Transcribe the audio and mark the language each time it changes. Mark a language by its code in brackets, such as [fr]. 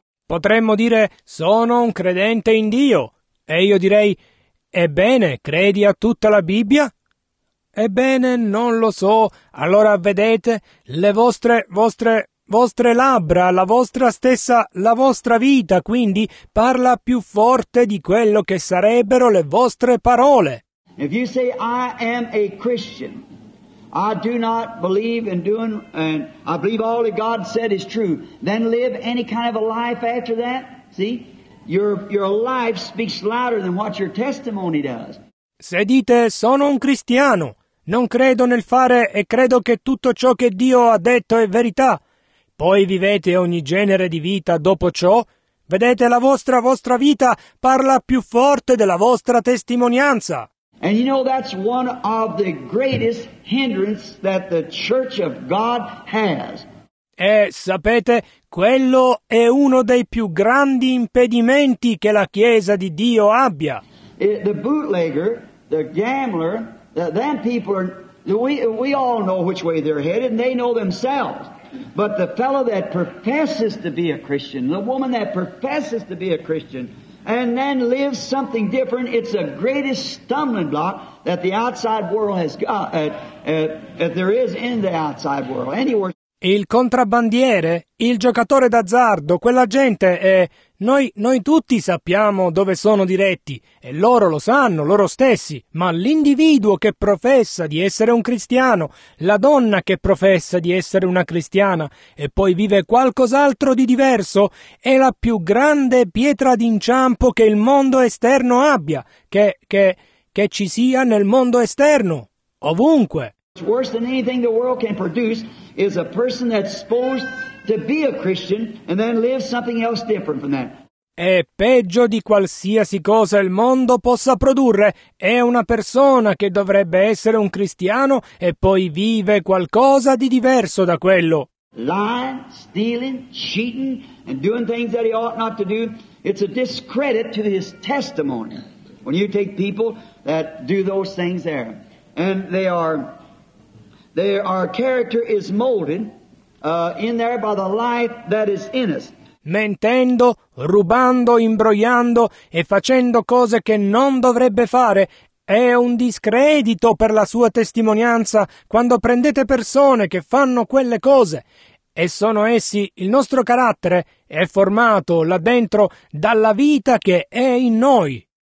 [it] Potremmo dire, sono un credente in Dio. E io direi, ebbene, credi a tutta la Bibbia? Ebbene, non lo so. Allora vedete, le vostre labbra, la vostra vita, quindi, parla più forte di quello che sarebbero le vostre parole. [en] If you say, I am a Christian, I do not believe in doing, and I believe all that God said is true, then live any kind of a life after that, see? Your life speaks louder than what your testimony does. [it] Se dite, sono un cristiano, non credo nel fare e credo che tutto ciò che Dio ha detto è verità, poi vivete ogni genere di vita dopo ciò, vedete, la vostra vita parla più forte della vostra testimonianza. [en] And you know, that's one of the greatest hindrance that the Church of God has. [it] E sapete, quello è uno dei più grandi impedimenti che la Chiesa di Dio abbia. [en] The bootlegger, the gambler, them people are, we all know which way they're headed, and they know themselves. But the fellow that professes to be a Christian, the woman that professes to be a Christian, and then lives something different, it's the greatest stumbling block that the outside world has got, that there is in the outside world. Anywhere. [it] Il contrabbandiere, il giocatore d'azzardo, quella gente è... Noi tutti sappiamo dove sono diretti, e loro lo sanno, loro stessi, ma l'individuo che professa di essere un cristiano, la donna che professa di essere una cristiana, e poi vive qualcos'altro di diverso, è la più grande pietra d'inciampo che il mondo esterno abbia, che ci sia nel mondo esterno, ovunque. [en] It's worse than anything the world can produce is a person that's supposed to be a Christian and then live something else different from that. [it] È peggio di qualsiasi cosa il mondo possa produrre. È una persona che dovrebbe essere un cristiano e poi vive qualcosa di diverso da quello. [en] Lying, stealing, cheating, and doing things that he ought not to do, it's a discredit to his testimony. When you take people that do those things there, and they are... Our character is molded in there by the life that is in us. [it] Mentendo, rubando, imbrogliando e facendo cose che non dovrebbe fare, è un discredito per la sua testimonianza quando prendete persone che fanno quelle cose. E sono essi, il nostro carattere è formato là dentro dalla vita che è in noi.